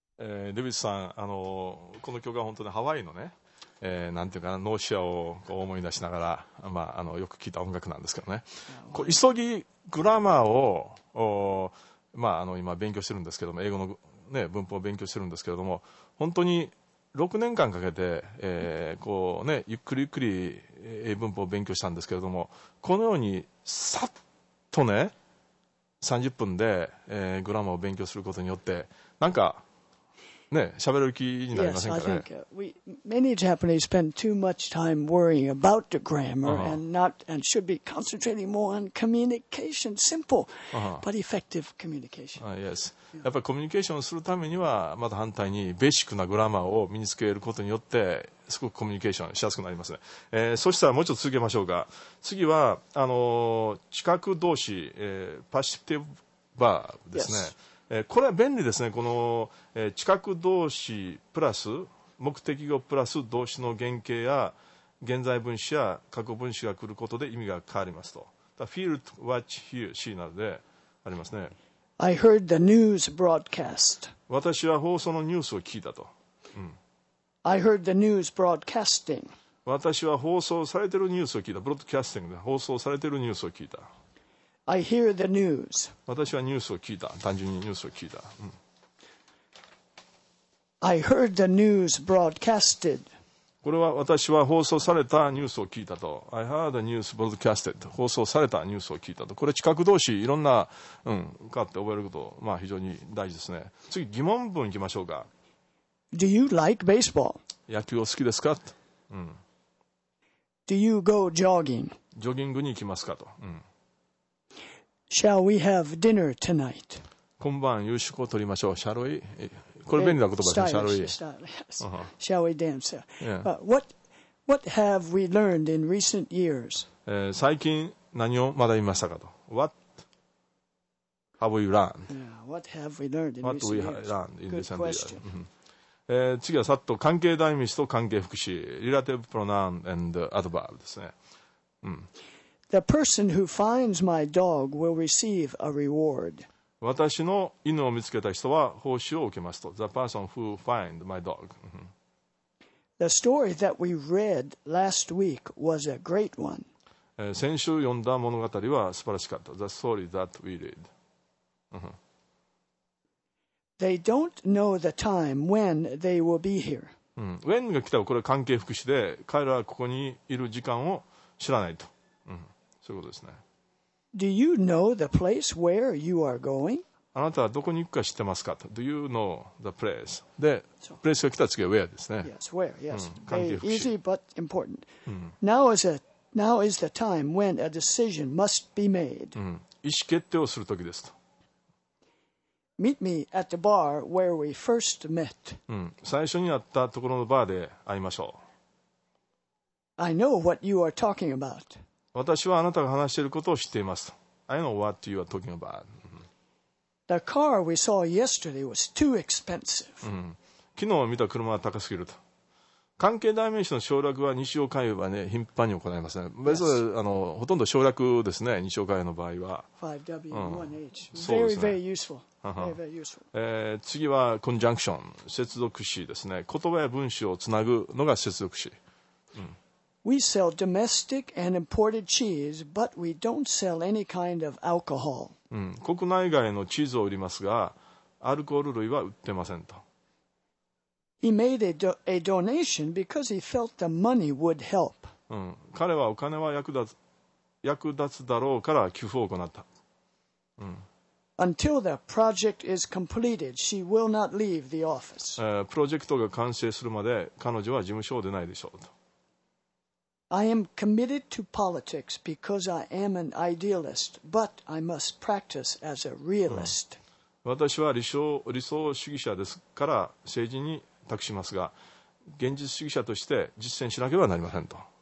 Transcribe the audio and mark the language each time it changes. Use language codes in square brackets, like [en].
[ja] デビッドさん、この曲は本当にハワイのね、なんていうかな、ノーシアをこう思い出しながら、よく聴いた音楽なんですけどね、こう急ぎグラマーを今、勉強してるんですけども、英語の、ね、文法を勉強してるんですけれども、本当に6年間かけて、ゆっくりゆっくり英文法を勉強したんですけれども、このようにさっとね、30分で、グラマーを勉強することによって、なんか、ね、喋る気になりませんかね。 [en] Yes, I think many Japanese spend too much time worrying about the grammar and should be concentrating more on communication, simple but effective communication. Yes. [ja] やっぱりコミュニケーションするためには、また反対にベーシックなグラマーを身につけることによって、すごくコミュニケーションしやすくなりますね。そしたらもうちょっと続けましょうか。次は、近く動詞、パシティブバーブですね。 [en] Yes. [ja] これは便利ですね。この近く動詞プラス目的語プラス動詞の原型や現在分詞や過去分詞が来ることで意味が変わりますと。 feel, watch, hear, see などでありますね。 [en] I heard the news broadcast. [ja] 私は放送のニュースを聞いたと。 [en] I heard the news broadcasting. [ja] 私は放送されているニュースを聞いた。broadcasting で放送されているニュースを聞いた。 [en] I hear the news. [ja] 私はニュースを聞いた。単純にニュースを聞いた。 [en] I heard the news broadcasted. [ja] これは私は放送されたニュースを聞いたと。 [en] I heard the news broadcasted. [ja] 放送されたニュースを聞いたと。これ近く動詞、いろんな、かって覚えること、非常に大事ですね。次、疑問文いきましょうか。 [en] Do you like baseball? [ja] 野球を好きですか？ [en] Do you go jogging? [ja] ジョギングに行きますかと。 [en] Shall we have dinner tonight? [ja] 今晩夕食を取りましょう。 [en] Shall we? [ja] これ便利な言葉ですね。 [en] Shall we? Shall we dance? Yeah. What have we learned in recent years? 最近何を学びましたかと。 What have we learned? Yeah. What have we learned in recent years? What we have learned in recent years? Good question. [ja] 次はさっと関係代名詞と関係副詞、 [en] relative pronoun and adverb [ja] ですね。 [en] The person who finds my dog will receive a reward. [ja] 私の犬を見つけた人は報酬を受けますと。 [en] The person who finds my dog. The story that we read last week was a great one. [ja] 先週読んだ物語は素晴らしかった。 [en] The story that we read. They don't know the time when they will be here. [ja] When が来たらこれは関係副詞で、彼らはここにいる時間を知らないと。そういうことですね。 [en] Do you know the place where you are going? [ja] あなたはどこに行くか知ってますかと。 [en] Do you know the place? [ja] で、プレイスが来た次は where ですね。 [en] Yes, where, yes.、 [ja] 関係副詞。 [en] Easy but important.、Now is the time when a decision must be made.、 [ja] 意思決定をするときですと。 [en] Meet me at the bar where we first met.、 [ja] 最初に会ったところのバーで会いましょう。 [en] I know what you are talking about. [ja] 私はあなたが話していることを知っています。 [en] I know what you are talking about. The car we saw yesterday was too expensive. [ja] 昨日見た車は高すぎると。関係代名詞の省略は日常会話は、ね、頻繁に行いますね。別に、 [en] yes. [ja] ほとんど省略ですね、日常会話の場合は。 [en] 5W1H、 [ja] うん。 [en] Very, very useful. Very, very useful. [ja] 次はコンジャンクション、接続詞ですね。言葉や文章をつなぐのが接続詞。 [en] We sell domestic and imported cheese, but we don't sell any kind of alcohol. [ja] 国内外のチーズを売りますが、アルコール類は売ってませんと。 [en] He made a donation because he felt the money would help. [ja] 彼はお金は役立つだろうから寄付を行った。 [en] Until the project is completed, she will not leave the office. [ja] プロジェクトが完成するまで彼女は事務所を出ないでしょうと。 [en] I am committed to politics because I am an idealist, but I must practice as a realist. [ja] 私は理想主義者ですから政治に託しますが、現実主義者として実践しなければなりませんと。